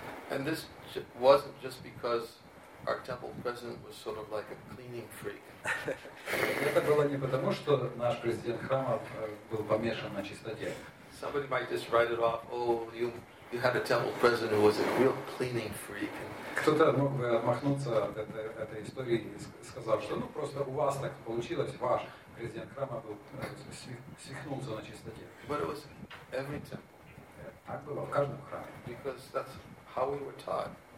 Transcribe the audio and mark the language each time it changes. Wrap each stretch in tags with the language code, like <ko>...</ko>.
<en>And this wasn't just because our temple president was sort of like a cleaning freak.</en> <ru>Это было не потому, что наш президент храма был помешан на чистоте.</ru> <en>Somebody might just write it off, oh, you had a temple president who was a real cleaning freak.</en> <ru>Кто-то мог бы отмахнуться от этой истории и сказал, что ну просто у вас так получилось, ваш президент храма был свихнулся на чистоте.</ru> <en>But it was every temple.</en> <ru>Так было в каждом храме.</ru> <en>Because that's how we were taught.</en>